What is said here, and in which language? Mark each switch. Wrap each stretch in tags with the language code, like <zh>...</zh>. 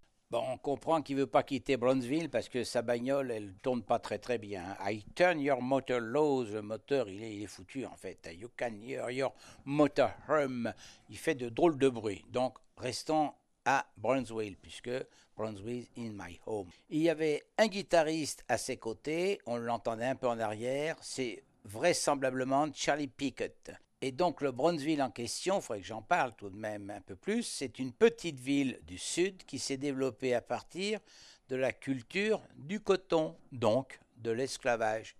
<fr>Bon, on comprend qu'il ne veut pas quitter Brownsville parce que sa bagnole, elle ne tourne pas très très bien.</fr> <en>I turn your motor loose,</en> <fr>le moteur, il est foutu en fait.</fr> <en>You can hear your motor hum.</en> <fr>Il fait de drôles de bruit. Donc, restons à Brownsville, puisque</fr> <en>Brownsville in my home.</en> <fr>Il y avait un guitariste à ses côtés, on l'entendait un peu en arrière, c'est vraisemblablement Charlie Pickett. Et donc le Brownsville en question, il faudrait que j'en parle tout de même un peu plus, c'est une petite ville du sud qui s'est développée à partir de la culture du coton, donc de l'esclavage.</fr>